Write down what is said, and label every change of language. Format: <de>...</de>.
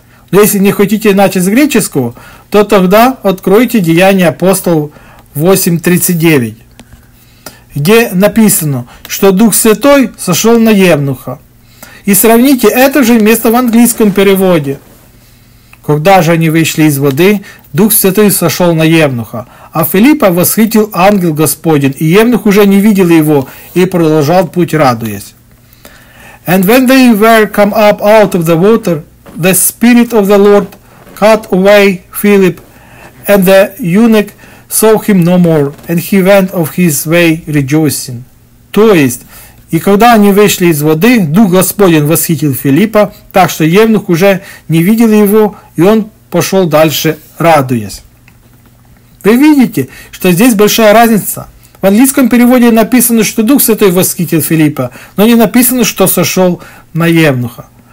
<ru>Но если не хотите начать с греческого, то тогда откройте Деяния апостолов 8:39, где написано, что Дух Святой сошел на Евнуха. И сравните это же место в английском переводе. Когда же они вышли из воды, Дух Святой сошел на Евнуха, а Филиппа восхитил ангел Господень, и Евнух уже не видел его и продолжал путь, радуясь.</ru> <en>And when they were come up out of the water, the Spirit of the Lord cut away Philip, and the eunuch saw him no more, and he went of his way rejoicing.</en> <ru>То есть, и когда они вышли из воды, Дух Господень восхитил Филиппа, так что евнух уже не видел его, и он пошел дальше, радуясь. Вы видите, что здесь большая разница. В английском переводе написано, что Дух Святой восхитил Филиппа, но не написано, что сошел на евнуха.</ru>